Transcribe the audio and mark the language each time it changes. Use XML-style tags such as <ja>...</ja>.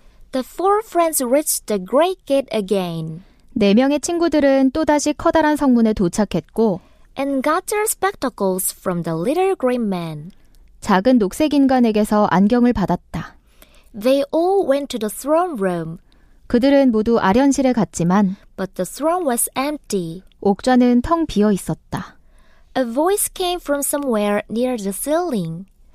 <en>The four friends reached the great gate again.</en> <ko>네 명의 친구들은 또다시 커다란 성문에 도착했고</ko> <en>and got their spectacles from the little green man.</en> <ko>작은 녹색 인간에게서 안경을 받았다.</ko> <en>They all went to the throne room.</en> <ko>그들은 모두 아련실에 갔지만</ko> <en>but the throne was empty.</en> <ko>옥좌는 텅 비어 있었다.</ko> <en>A voice came from somewhere near the ceiling.</en>